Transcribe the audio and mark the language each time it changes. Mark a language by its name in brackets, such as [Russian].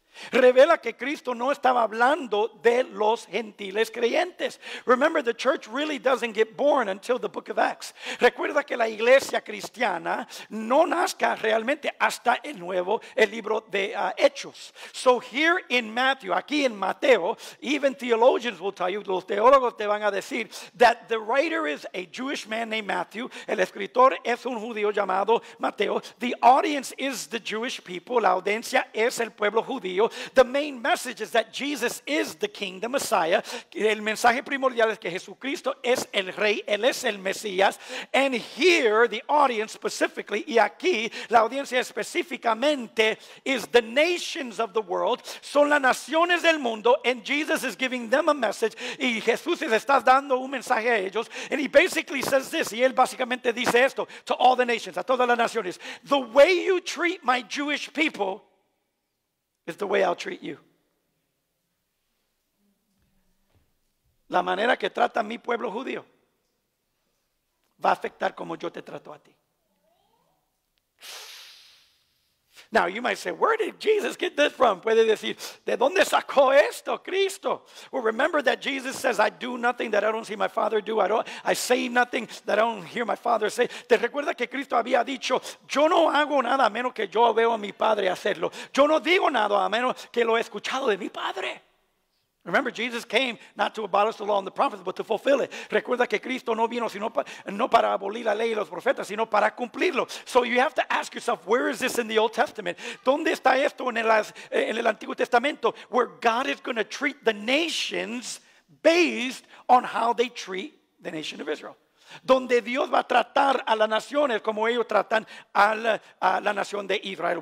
[Spanish] Revela que Cristo no estaba hablando de los gentiles creyentes. [English] Remember, the church really doesn't get born until the book of Acts. [Spanish] Recuerda que la iglesia cristiana no nazca realmente hasta el libro de Hechos. [English] So here in Matthew, [Spanish] aquí en Mateo, [English] even theologians will tell you, [Spanish] los teólogos te van a decir, [English] that the writer is a Jewish man named Matthew, [Spanish] el escritor es un judío llamado Mateo, [English] the audience is the Jewish people, [Spanish] la audiencia es el pueblo judío, Dios. [English] The main message is that Jesus is the King, the Messiah. [Spanish] El mensaje primordial es que Jesucristo es el Rey, Él es el Mesías. [English] And here, the audience specifically, [Spanish] y aquí, la audiencia específicamente, [English] is the nations of the world, [Spanish] son las naciones del mundo, [English] and Jesus is giving them a message, [Spanish] y Jesús les está dando un mensaje a ellos. [English] And he basically says this, [Spanish] y él básicamente dice esto, [English] to all the nations, [Spanish] a todas las naciones, [English] the way you treat my Jewish people is the way I'll treat you. [Spanish] La manera que trata mi pueblo judío va a afectar como yo te trato a ti. [English] Now you might say, where did Jesus get this from? [Spanish] Puede decir, ¿de dónde sacó esto Cristo? [English] Well, remember that Jesus says, I do nothing that I don't see my Father do. I say nothing that I don't hear my Father say. [Spanish] ¿Te recuerda que Cristo había dicho, yo no hago nada a menos que yo veo a mi Padre hacerlo? Yo no digo nada a menos que lo he escuchado de mi Padre. [English] Remember, Jesus came not to abolish the law and the prophets, but to fulfill it. [Spanish] Recuerda que Cristo no vino sino no para abolir la ley y los profetas, sino para cumplirlo. [English] So you have to ask yourself, where is this in the Old Testament? [Spanish] ¿Dónde está esto en el Antiguo Testamento? [English] Where God is going to treat the nations based on how they treat the nation of Israel. [Spanish] Donde Dios va a tratar a las naciones como ellos tratan a la nación de Israel.